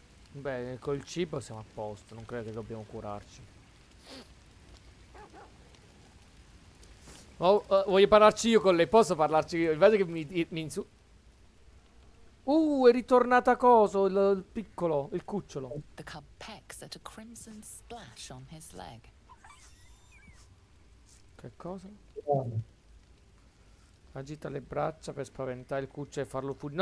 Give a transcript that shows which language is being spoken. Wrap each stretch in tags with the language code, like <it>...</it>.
<it>Beh, col cibo siamo a posto, non credo che dobbiamo curarci. Voglio parlarci io con lei, posso parlarci io? Vedi che mi insu... è ritornata a coso, il piccolo, il cucciolo.</it> <en>The cub pecks at a crimson splash on his leg.</en> <it>Che cosa? Agita le braccia per spaventare il cucciolo e farlo fuggire.</it>